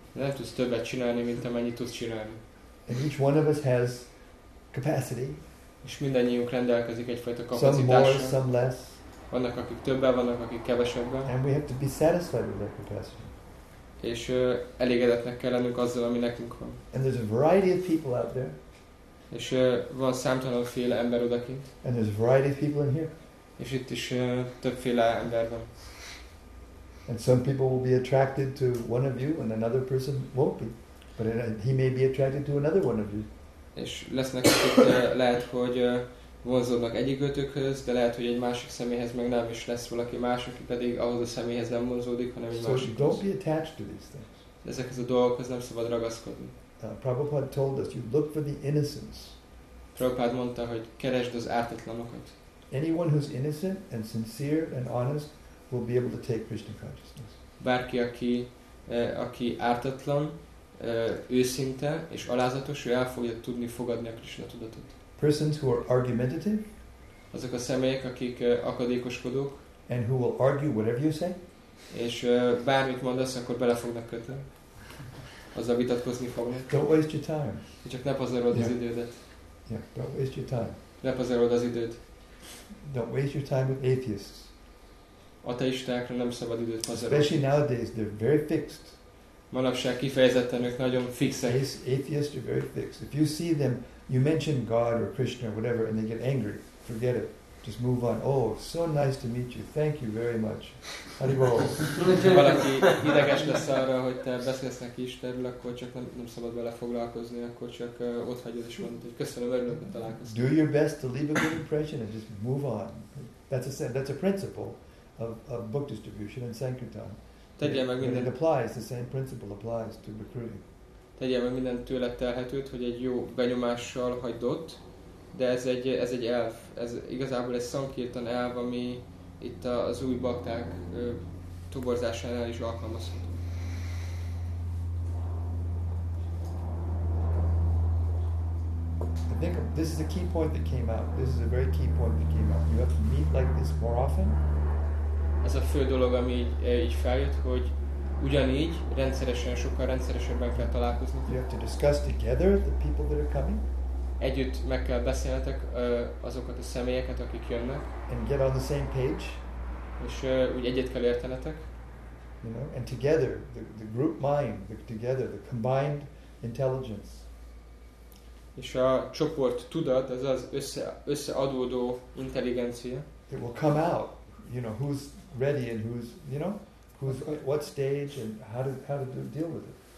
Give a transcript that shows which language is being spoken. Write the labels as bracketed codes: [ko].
[hu] Nem tudsz többet csinálni, mint amennyit tudsz csinálni. [en] And each one of us has capacity. [hu] És mindannyiunk rendelkezik egyfajta kapacitással. [en] Some more, some less. [hu] Vannak, akik többen, vannak, akik kevesebben. [en] And we have to be satisfied with that capacity. [hu] És elégedetnek kell lennünk azzal, ami nekünk van. [en] And there's a variety of people out there. [hu] És van számtalanféle ember odakint. [en] And there's a variety of people in here. [hu] És itt is többféle ember van. [en] And some people will be attracted to one of you, and another person won't be. But he may be attracted to another one of you. [hu] És lesznek, akik lehet, hogy vonzódnak egyikötökhöz, de lehet, hogy egy másik személyhez meg nem is lesz valaki más, aki pedig ahhoz a személyhez nem vonzódik, hanem egy másikhoz. [en] So don't be attached to these things. [hu] Ezekhez a dolgokhoz nem szabad ragaszkodni. [en] Prabhupada told us, you look for the innocence. [hu] Prabhupada mondta, hogy keresd az ártatlanokat. [en] Anyone who's innocent and sincere and honest will be able to take Krishna consciousness. [hu] Bárki, aki ártatlan, őszinte és alázatos, ő el fogja tudni fogadni a Krishna tudatot. [en] Persons who are argumentative, [hu] azok a személyek, akik akadékoskodók, [en] and who will argue whatever you say, [hu] és bármit mondasz, akkor bele fognak kötni, azzal vitatkozni fognak. [en] Don't waste your time. [hu] És csak ne pazarold az idődet. [en] Yeah, don't waste your time. [hu] Ne pazarold az időt. [en] Don't waste your time with atheists. [hu] Ateistákra nem szabad időt pazarolni. [en] Especially nowadays, they're very fixed. [hu] Manapság kifejezetten ők nagyon fixek. [en] Atheists are very fixed. If you see them, you mention God or Krishna or whatever, and they get angry. Forget it. Just move on. Oh, so nice to meet you. Thank you very much. Haribol. [hu] Valaki ideges lesz arra, hogy te beszélsz neki Istenről, akkor csak nem szabad vele foglalkozni, akkor csak ott hagyod és mondod, hogy köszönöm, örülök, hogy találkoztam. [en] Do your best to leave a good impression and just move on. That's a principle of book distribution and sankirtan. [hu] Tegyél meg mindent. [en] And it applies, the same principle applies to recruiting. [hu] Tegyél meg mindent tőled telhetőt, hogy egy jó benyomással hagyd ott, de ez egy elv, ez igazából egy szankirtan elv, ami itt az új bakták toborzásánál is alkalmazható. [en] I think this is a key point that came out. This is a very key point that came out. You have to meet like this more often. [hu] Ez a fő dolog, ami így feljött, hogy ugyanígy rendszeresen, sokkal rendszeresebben kell találkozni. [en] You have to discuss together the people that are coming. [hu] Együtt meg kell beszélnetek azokat a személyeket, akik jönnek. [en] And get on the same page. [hu] És úgy egyet kell értenetek. [en] You know, and together, the group mind, the together, the combined intelligence. [hu] És a csoport tudat, ez az összeadódó intelligencia. [en] It will come out, you know, who's ready and who's, you know, who's at what stage and how to deal with it.